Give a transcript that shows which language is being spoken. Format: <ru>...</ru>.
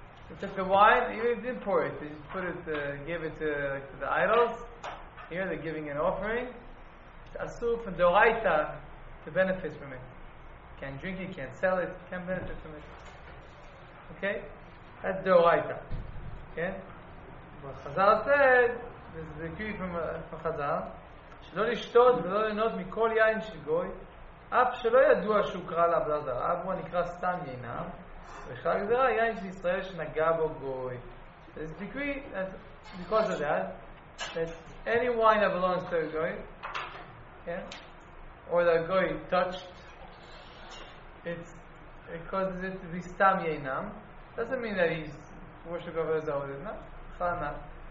<en>We took the wine, even they didn't pour it. They just put it, gave it to the idols. Here they're giving an offering. Asur from Doraita to benefit from it. Can't drink it, can't sell it, can't benefit from it. Okay? That's Doraita. Okay? But Chazal said, this is a decree from Chazal,</en> <he>שלא לשתות ולא לנות מכל יין של גוי, אף שלא ידוע שהוא קרא לעבודה זרה, אף הוא נקרא סתם יינם, וכלל גזרה, יין של ישראל שנגע בו גוי.</he> <en>This decree, because of that, that any wine that belongs to a goy, yeah, or that a goy touched, it causes it to be stam yeinam. Doesn't mean that he's worship of his own, no? Chal not.</en>